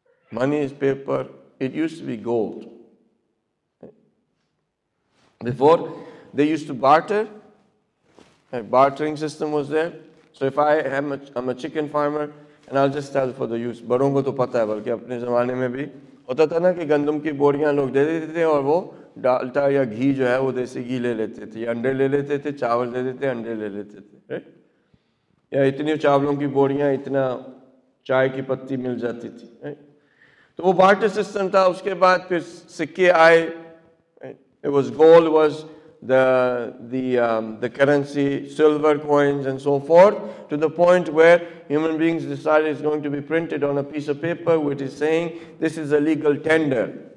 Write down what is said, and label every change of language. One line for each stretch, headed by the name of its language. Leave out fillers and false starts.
English: Money is paper. It used to be gold. Before, they used to barter. A bartering system was there. So if I am a chicken farmer, and I'll just tell for the use.
Hindi: बड़ों को तो पता है बल्कि अपने ज़माने में भी होता था ना कि गंदम की बोरियां लोग दे देते थे और वो डालता या घी जो है वो देसी घी ले लेते थे या अंडे ले लेते थे चावल दे देते अंडे ले लेते थे या इतनी चावलों की बोरियां इतना चाय की पत्ती मिल जाती थी. तो वो बार्टर सिस्टम था. उसके बाद फिर सिक्के आए.
English: It was gold was the currency, silver coins and so forth, to the point where human beings decided it's going to be printed on a piece of paper which is saying this is a legal tender.